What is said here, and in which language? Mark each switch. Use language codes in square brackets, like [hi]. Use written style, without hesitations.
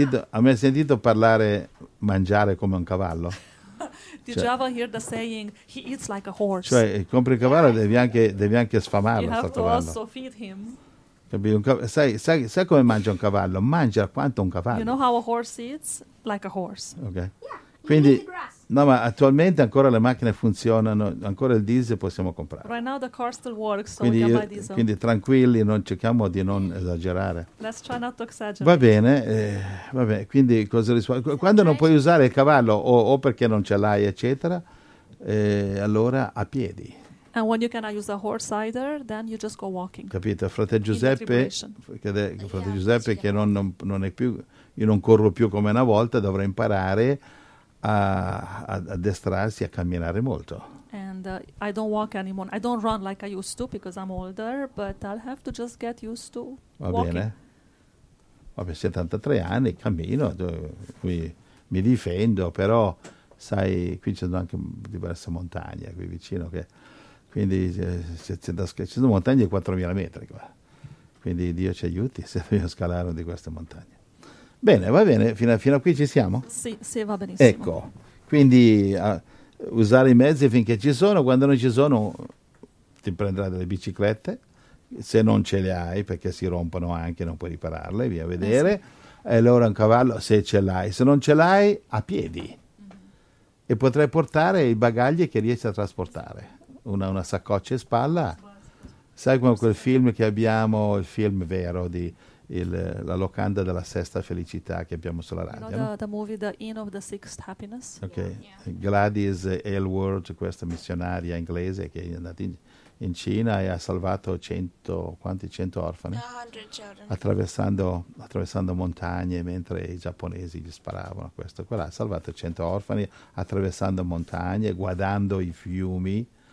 [it] ha mai sentito parlare mangiare come un cavallo? [en] Did you ever hear the saying he eats like a horse? [it] Cioè, compri il cavallo, devi anche sfamarlo. [en] You have to also feed him. [it] Sai come mangia un cavallo? Mangia quanto un cavallo. [en] You know how a horse eats? Like a horse. Okay. Yeah, [it] quindi [en] eat the grass. [it] No, ma attualmente ancora le macchine funzionano, ancora il diesel possiamo comprare. [en] Right now the car still works, so [it] quindi [en] we can buy diesel. [it] Quindi tranquilli, non cerchiamo di non esagerare. [en] Let's try not to exaggerate. [it] Va bene, quindi cosa rispondo? Quando non puoi usare il cavallo o perché non ce l'hai, eccetera, allora a piedi. [en] And when you cannot use a horse either, then you just go walking. [it] Capito, frate Giuseppe, che non è più, io non corro più come una volta, dovrà imparare addestrarsi a camminare molto. [en] And I don't walk anymore. I don't run like I used to because I'm older, but I'll have to just get used to walking. [it] Va bene. Vabbè, 73 anni, cammino, mi difendo, però sai, qui ci sono anche diverse montagne qui vicino che. Quindi ci sono montagne di 4.000 metri qua. Quindi Dio ci aiuti se dobbiamo scalare una di queste montagne. Bene, va bene, fino a qui ci siamo? Sì, sì, va benissimo. Ecco, quindi usare i mezzi finché ci sono, quando non ci sono ti prenderai delle biciclette, se non ce le hai, perché si rompono anche, non puoi ripararle, via vedere. Sì. E allora un cavallo, se ce l'hai, se non ce l'hai, a piedi. E potrai portare i bagagli che riesci a trasportare. Una saccoccia in spalla, sai come quel film che abbiamo, il film vero di La locanda della sesta felicità che abbiamo sulla radio, no? [en] The movie The Inn of the Sixth Happiness. Ok, yeah. [it] Gladys Aylward, questa missionaria inglese che è andata in Cina e ha salvato 100 orfani? [en] 100 children. [it] Attraversando montagne mentre i giapponesi gli sparavano, questo, quella, ha salvato 100 orfani attraversando montagne, guardando i fiumi.